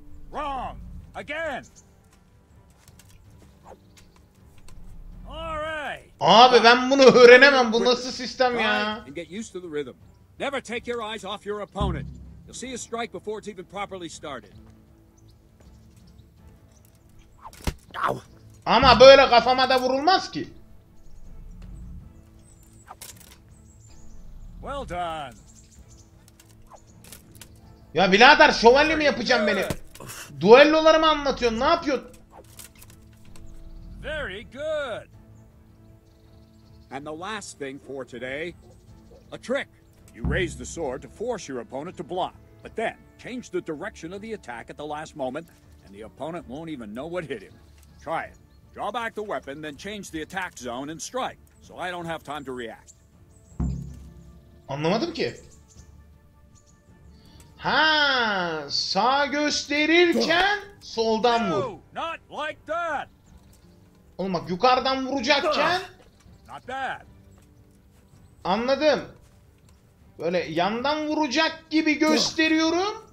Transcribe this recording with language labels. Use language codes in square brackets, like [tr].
[en] Wrong. Again. All right. [tr] Abi ben bunu öğrenemem. Bu nasıl sistem ya? [en] And get used to the rhythm. Never take your eyes off your opponent. You'll see a strike before it's even properly started. [tr] Ama böyle kafama da vurulmaz ki. [en] Well done. [tr] Ya birader şövalye mi yapacaksın beni? Duellolarımı anlatıyorsun, ne yapıyorsun? [en] Very good. And the last thing for today, a trick. You raise the sword to force your opponent to block, but then change the direction of the attack at the last moment and the opponent won't even know what hit him. Try it. Draw back the weapon, then change the attack zone and strike, so I don't have time to react. [tr] Anlamadım ki. Ha, sağ gösterirken soldan vur. [en] No, not like that. [tr] Oğlum bak, yukarıdan vuracakken. [en] Not bad. [tr] Anladım. Böyle yandan vuracak gibi gösteriyorum.